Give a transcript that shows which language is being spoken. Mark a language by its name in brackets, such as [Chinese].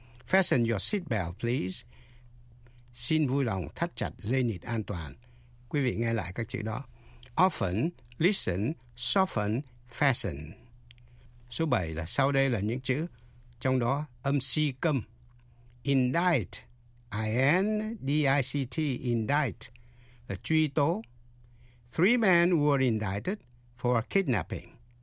[English] Fasten your seatbelt, please. [Vietnamese] Xin vui lòng thắt chặt dây nịt an toàn. Quý vị nghe lại các chữ đó: [English] often, listen, soften, fasten. [Vietnamese] Số 7 là sau đây là những chữ, trong đó âm C câm: indict, I-N-D-I-C-T, indict, là truy tố. [English] Three men were indicted for kidnapping.